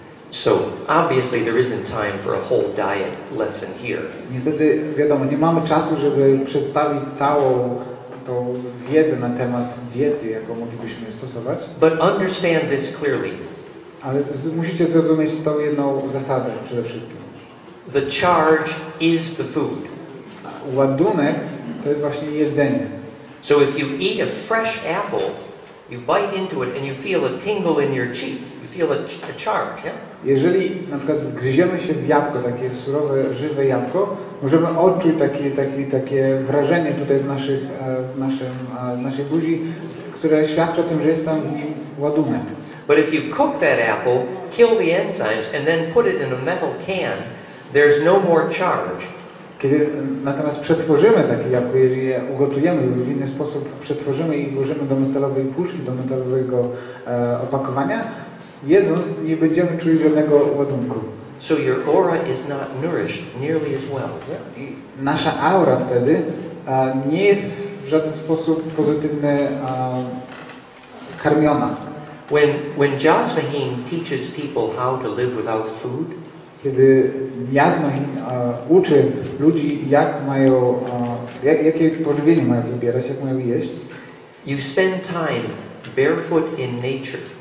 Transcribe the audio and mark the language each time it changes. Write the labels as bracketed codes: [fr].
[en] So obviously there isn't time for a whole diet lesson here. [pl] Niestety, wiadomo, nie mamy czasu, żeby przedstawić całą tą wiedzę na temat diety, jaką moglibyśmy stosować. [en] But understand this clearly. [pl] Ale musicie zrozumieć tą jedną zasadę przede wszystkim. [en] The charge is the food. [pl] Ładunek to jest właśnie jedzenie. [en] So if you eat a fresh apple, you bite into it and you feel a tingle in your cheek. You feel a charge, yeah? [pl] Jeżeli na przykład gryziemy się w jabłko, takie surowe, żywe jabłko, możemy odczuć takie wrażenie tutaj w naszej buzi, które świadczy o tym, że jest tam w nim ładunek. [en] But if you cook that apple, kill the enzymes and then put it in a metal can, there's no more charge. [pl] Kiedy natomiast przetworzymy takie jabłko, jeżeli je ugotujemy lub w inny sposób przetworzymy i włożymy do metalowej puszki, do metalowego opakowania, jedząc nie będziemy czuli żadnego ładunku. [en] So your aura is not nourished nearly as well. [pl] I nasza aura wtedy nie jest w żaden sposób pozytywnie karmiona. [en] When Jas Mahin teaches people how to live without food, [pl] kiedy Jasmine uczy ludzi, jak mają, jakie pożywienie mają wybierać, jak mają jeść. [en] You spend time barefoot in nature.